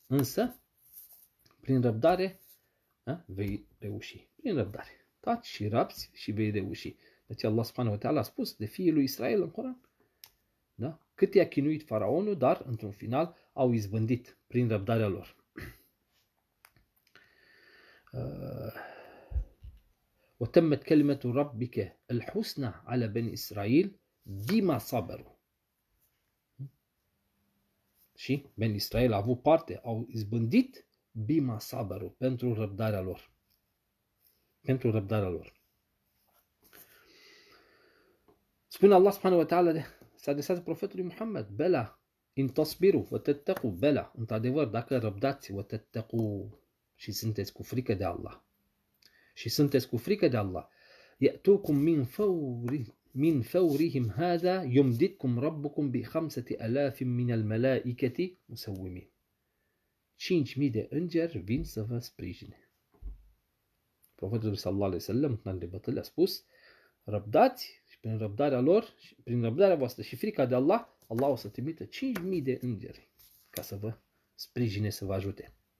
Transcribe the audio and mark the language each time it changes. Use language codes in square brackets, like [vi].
[ro] Însă, prin răbdare, a, vei reuși. Prin răbdare. Taci și rapsi și vei reuși. De aceea Allah subhanahu wa ta'ala a spus de fiii lui Israel în Coran. Da? Cât i-a chinuit faraonul, dar într-un final au izbândit prin răbdarea lor. [ar] وتمت كلمة ربك الحسنى على بني إسرائيل بما صبروا. [ro] Și Ben Israel a avut parte, au izbândit [ar] bima sabaru, [ro] pentru răbdarea lor. Pentru răbdarea lor. Spune Allah subhanahu wa ta'ala, s-a adresat profetului Muhammad, bela, [ar] in tasbiru, wa tattaqu, [ro] bela, într-adevăr, dacă răbdați, [ar] wa tattaqu, [ro] și sunteți cu frică de Allah. Și sunteți cu frică de Allah. [ar] Ya'tukum min fawri من فورهم هذا يمددكم ربكم بخمسة آلاف من الملائكة مسومين. [ro] 5.000 de îngeri vin să vă sprijine. Profetul sallallahu alaihi wasallam în Al-Baqarah a spus: răbdați și prin răbdarea lor, prin răbdarea voastră și frica de Allah, Allah o să trimită 5.000 de îngeri ca să vă sprijine, să vă ajute.